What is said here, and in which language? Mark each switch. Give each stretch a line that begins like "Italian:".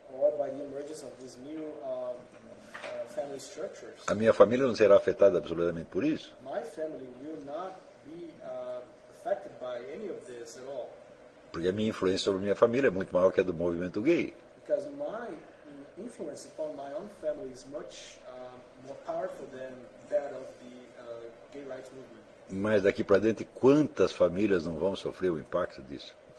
English: Or by the emergence of these new, family structures.
Portuguese: A minha família não será afetada absolutamente por isso.
English: My family will not be, affected by any of this at all.
Portuguese: Porque a minha influência sobre a minha família é muito maior que a do movimento gay.
English: Because my influence upon my own family is much more powerful than that of the gay rights movement.
Portuguese: Mas daqui para dentro, quantas famílias não vão sofrer o impacto disso?